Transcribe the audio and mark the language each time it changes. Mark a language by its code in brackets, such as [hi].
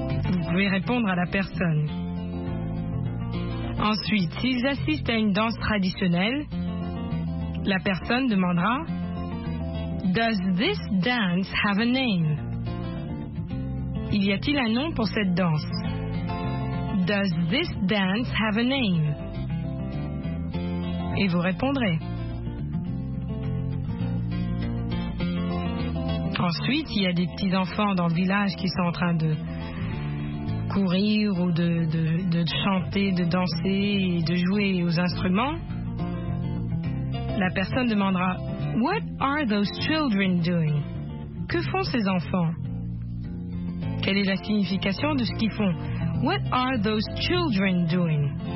[fr] Vous pouvez répondre à la personne. Ensuite, s'ils assistent à une danse traditionnelle, la personne demandera [en] Does this dance have a name? [fr] Il y a-t-il un nom pour cette danse? [en] Does this dance have a name? [fr] Et vous répondrez. Ensuite, il y a des petits enfants dans le village qui sont en train de courir ou de chanter, de danser et de jouer aux instruments. La personne demandera [en] What are those children doing? [fr] Que font ces enfants? Quelle est la signification de ce qu'ils font? [en] What are those children doing?